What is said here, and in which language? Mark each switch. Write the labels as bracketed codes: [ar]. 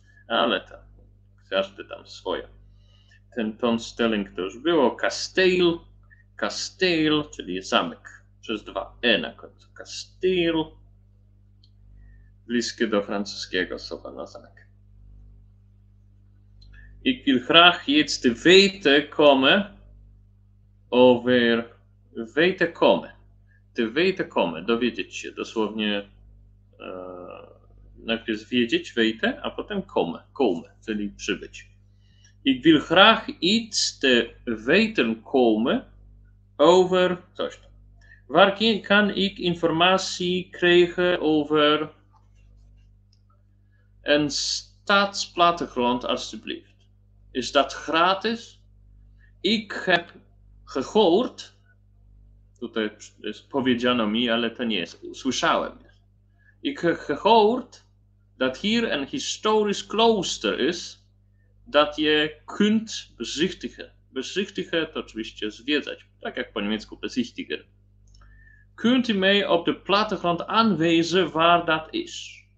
[pl] Ale tam, każdy tam swoje. Ten ton Stelling to już było. Castel, czyli zamek. Przez dwa E na końcu. Castel. Bliskie do francuskiego słowa na zamek. [nl] Ik wil graag jetzt weten komen over weten komen. Te weten komen, [pl] dowiedzieć się. Dosłownie najpierw wiedzieć, weten, a potem komen, czyli przybyć. [nl] Ik wil graag jetzt weten komen over coś. Waar kan ik informatie krijgen over een staatsplattegrond, alsjeblieft. Is dat gratis? Ik heb gehoord. [pl] Tutaj jest powiedziano mi, ale to nie jest. Słyszałem. [nl] Ik heb gehoord dat hier een historisch klooster is. Dat je kunt bezichtigen. [pl] Bezichtigen to oczywiście zwiedzać. Tak jak po niemiecku bezichtigen. [nl] Kunt u mij op de plattegrond aanwijzen waar dat is?